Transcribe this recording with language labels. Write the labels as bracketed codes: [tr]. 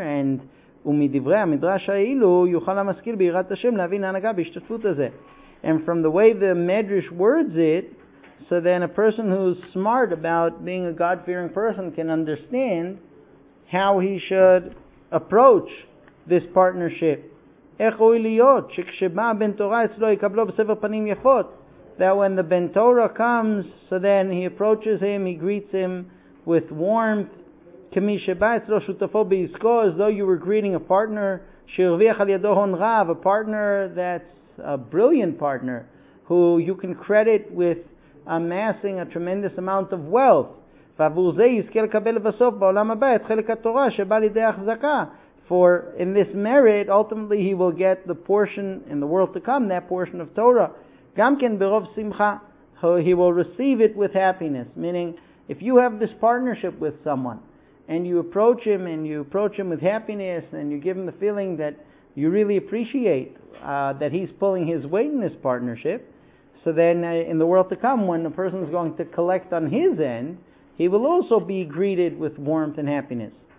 [he] And ומדברי המדרש האילו יוכל המשכיל ביראת השם להבין הנהגה בהשתתפות הזה. [en] And from the way the Medrash words it, so then a person who's smart about being a God-fearing person can understand how he should approach this partnership. [he] איך הוא להיות שכשבא בן תורה אצלו יקבלו בספר פנים יפות? [en] That when the Ben Torah comes, so then he approaches him, he greets him with warmth. [he] כמי שבא אצלו שותפו בעסקו, [en] as though you were greeting a partner, [he] שירוויח על ידו הון רב, [en] a partner that's a brilliant partner, who you can credit with amassing a tremendous amount of wealth. [he] ועבור זה יזכה לקבל בסוף בעולם הבא את חלק התורה שבא לידי החזקה. [en] For in this merit, ultimately he will get the portion in the world to come, that portion of Torah. [he] גם כן ברוב שמחה, [en] he will receive it with happiness. Meaning, if you have this partnership with someone, and you approach him, and you approach him with happiness, and you give him the feeling that you really appreciate that he's pulling his weight in this partnership, so then in the world to come, when a person is going to collect on his end, he will also be greeted with warmth and happiness.